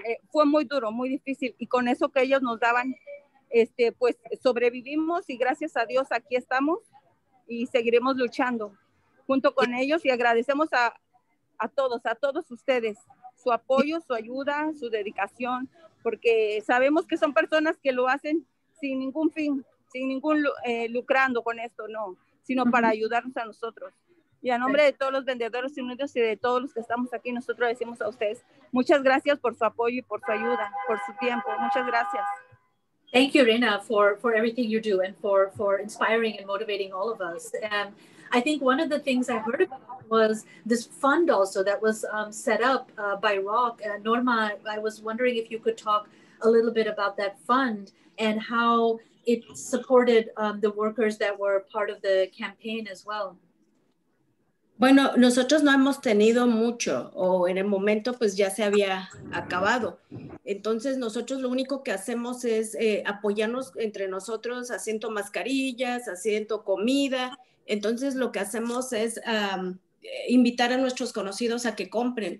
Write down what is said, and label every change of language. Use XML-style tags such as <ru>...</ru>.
<es>Fue muy duro, muy difícil, y con eso que ellos nos daban, pues sobrevivimos, y gracias a Dios aquí estamos y seguiremos luchando junto con ellos. Y agradecemos a todos ustedes su apoyo, su ayuda, su dedicación, porque sabemos que son personas que lo hacen sin ningún fin, sin ningún lucrando con esto, no, sino para ayudarnos a nosotros. Y a nombre de todos los Vendedores Unidos y de todos los que estamos aquí, nosotros decimos a ustedes muchas gracias por su apoyo y por su ayuda, por su tiempo. Muchas gracias.</es> <en>Thank you, Rena, for everything you do and for inspiring and motivating all of us. I think one of the things I heard about was this fund also that was set up by ROC. Norma, I was wondering if you could talk a little bit about that fund and how it supported the workers that were part of the campaign as well.</en> <es>Bueno, nosotros no hemos tenido mucho, o en el momento pues ya se había acabado. Entonces nosotros lo único que hacemos es apoyarnos entre nosotros, haciendo mascarillas, haciendo comida. Entonces lo que hacemos es invitar a nuestros conocidos a que compren.</es>